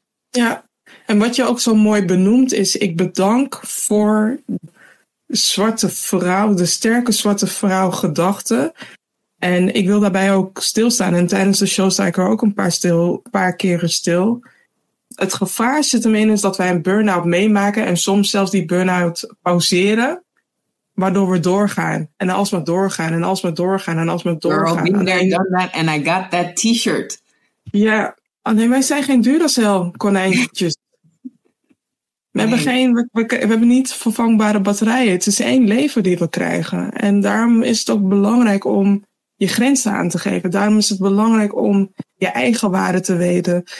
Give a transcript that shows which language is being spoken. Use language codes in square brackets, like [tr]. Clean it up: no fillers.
[nl] Ja, en wat je ook zo mooi benoemt is, ik bedank voor zwarte vrouw, de sterke zwarte vrouw gedachte. En ik wil daarbij ook stilstaan. En tijdens de show sta ik er ook een paar keren stil. Het gevaar zit hem in is dat wij een burn-out meemaken en soms zelfs die burn-out pauzeren. Waardoor we doorgaan. En als we doorgaan. En als we doorgaan. En als we doorgaan. [en] Girl, been there, done that, and I got that t-shirt. [nl] Ja. Yeah. Oh, nee, wij zijn geen Duracell konijntjes. We hebben niet vervangbare batterijen. Het is één leven die we krijgen. En daarom is het ook belangrijk om je grenzen aan te geven. Daarom is het belangrijk om je eigen waarde te weten.